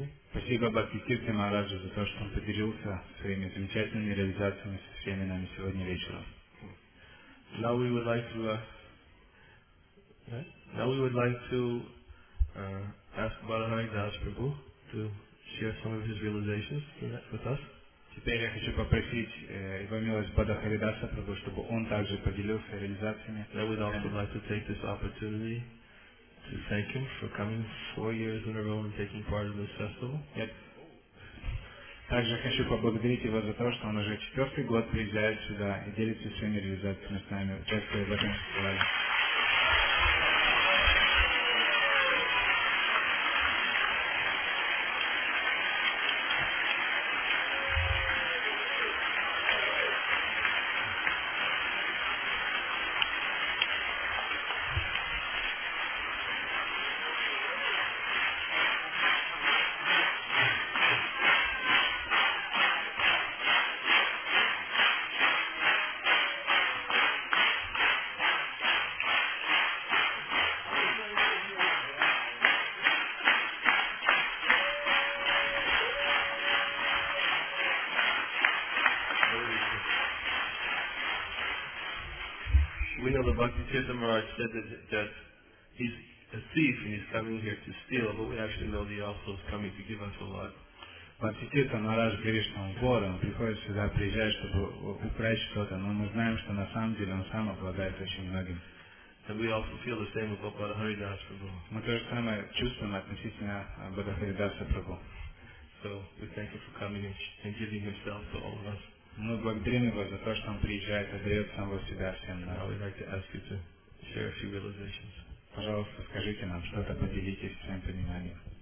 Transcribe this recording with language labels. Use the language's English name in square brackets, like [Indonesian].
[Russian] Спасибо, Бхакти Кирти Махараджа, за то, что он поделился своими замечательными реализациями со всеми нами сегодня вечером. [English] Now we would like to ask Balahari Das Prabhu to share some of his realizations with us. [Russian] Теперь я хочу попросить его милость Бадахари Даса Прабху, чтобы он также поделился реализациями. [English] Now we'd also like to take this opportunity to thank him for coming 4 years in a row and taking part in this festival. [Russian] Также хочу поблагодарить его за то, что он уже 4-й год приезжает сюда и делится своими реализациями с нами, участвует в этом фестивале. [English] Bhaktisiddhanta Maharaj said that he's a thief and he's coming here to steal, but we actually know that he also is coming to give us a lot. [Russian] Bhaktisiddhanta Maharaj говорит, что он вор, он приходит сюда, приезжает, чтобы украсть что-то, но мы знаем, что на самом деле он сам обладает очень многим. [English] And we also feel the same about Badahari Das Prabhu. [Russian] Мы то же самое чувствуем относительно Badahari Das Prabhu. [English] So we thank him for coming and giving himself to all of us. [Russian] Мы благодарим его за то, что он приезжает и дает самого себя всем нам. [English] I would like to ask you to share a few realizations. [Russian] Пожалуйста, скажите нам что-то, поделитесь своим пониманием.